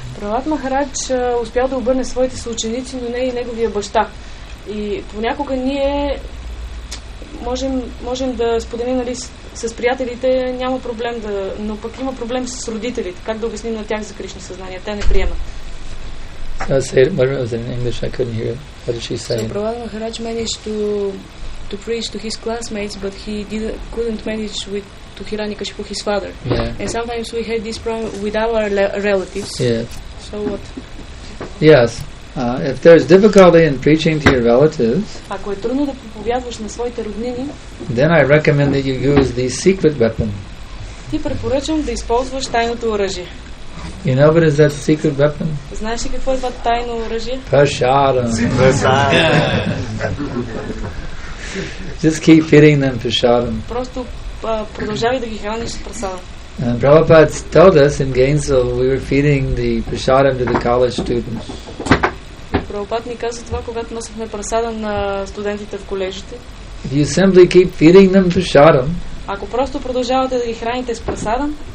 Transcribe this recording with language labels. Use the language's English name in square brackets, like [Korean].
[Bulgarian] Прават Махарадж успял да обърне своите съученици, но не и неговия баща. И понякога ние можем да споделим, нали, с приятелите, няма проблем да... Но пък има проблем с родителите. Как да обясним на тях за Кришна съзнание? Те не приемат. [English] So I said, what was it in English? I couldn't hear it. What did she say? So Prabhupada Maharaj managed to preach to his classmates, but he couldn't manage with to Hirani Kashipu, his father. Yeah. And sometimes we had this problem with our relatives. Yeah. So what? Yes. If there's difficulty in preaching to your relatives, [Bulgarian] ако е трудно да проповядваш на своите роднини, [English] then I recommend that you use the secret weapon. [Bulgarian] Ти препоръчвам да използваш тайното оръжие. [English] You know what is that secret weapon? [Bulgarian] Знаеш ли какво е това тайно оръжие? [English] Prasadam. Just keep feeding them prasadam. [Bulgarian] Просто продължавай да ги храниш с прасадам. [English] And Prabhupada told us in Gainesville we were feeding the prasadam to the college students. [Bulgarian] Prabhupada ни каза това, когато носихме прасадам на студентите в колежите. [English] If you simply keep feeding them prasadam, [Bulgarian] ако просто продължавате да ги храните с прасадам,